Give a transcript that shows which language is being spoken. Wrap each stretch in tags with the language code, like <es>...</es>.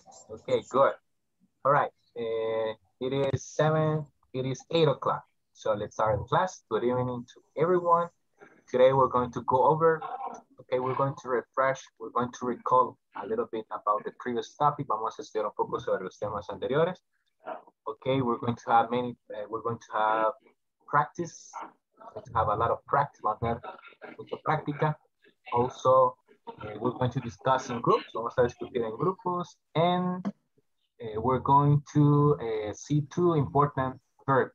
<en>Okay, good. All right. It is 7, it is 8 o'clock. So let's start the class. Good evening to everyone. Today we're going to go over, okay, we're going to refresh, we're going to recall a little bit about the previous topic.</en> <es>Vamos a estudiar un poco sobre los temas anteriores.</es> <en>Okay, we're going to have many, we're going to have practice. We're going to have a lot of practice, a lot of practice. Also, we're going to discuss in groups.</en> <es>Vamos a discutir en grupos.</es> <en>And we're going to see two important verbs.</en>